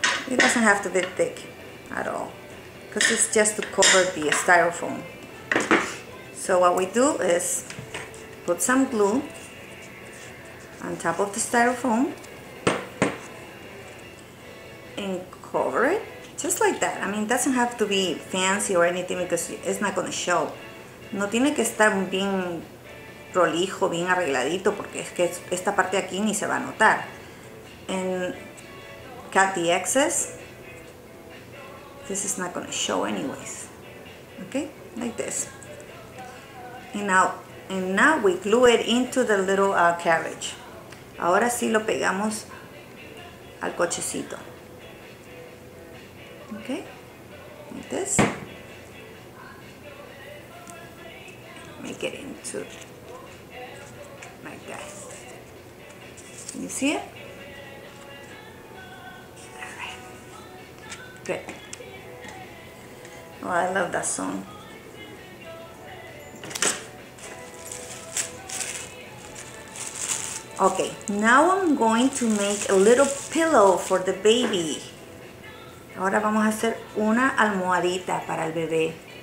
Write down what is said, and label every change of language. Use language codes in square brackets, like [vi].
[en] It doesn't have to be thick at all, because it's just to cover the styrofoam. So what we do is put some glue on top of the styrofoam and cover it just like that. I mean, it doesn't have to be fancy or anything because it's not going to show. [es] No tiene que estar bien prolijo, bien arregladito, porque es que esta parte aquí ni se va a notar. [en] And cut the excess. This is not going to show anyways. Okay, like this. And now we glue it into the little carriage. [es] Ahora sí lo pegamos al cochecito. [en] Okay, like this. Make it into like that. Can you see it? Alright. Good. Oh, I love that song. Okay, now I'm going to make a little pillow for the baby. [es] Ahora vamos a hacer una almohadita para el bebé.